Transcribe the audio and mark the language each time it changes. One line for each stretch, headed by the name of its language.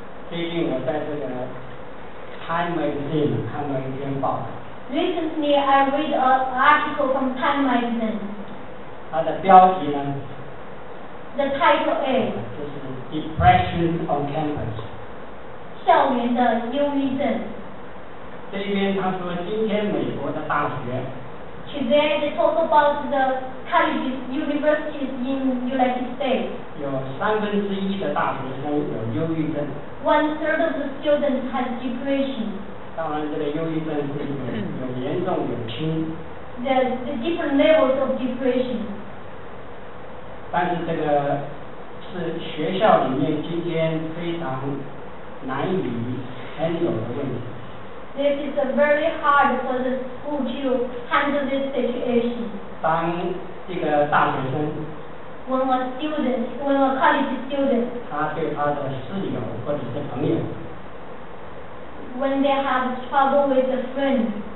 Chinese: 最近我在这个Time Magazine 看到一篇报道。
English: Recently, I read an article from Time Magazine.
Chinese: 它的标题呢
English: ？The title is.
Chinese: 就是
English: Depression on Campus.
Chinese: 校园的忧郁症。这边他说，今天美国的大学。
English: Today they talk about the colleges, universities in United States.
Chinese: 有三分之一的大学生有忧郁症。
English: One third of the students has depression.
Chinese: 当然，这个忧郁症是有严重有轻。
English: The different levels of depression.
Chinese: 但是这个是学校里面今天非常难以 handle 的问题。
English: This is a very hard for the school to handle this situation.
Chinese: 当一个大学生
English: When a college student
Chinese: 他对他的室友或者是朋友
English: When they have trouble with a friend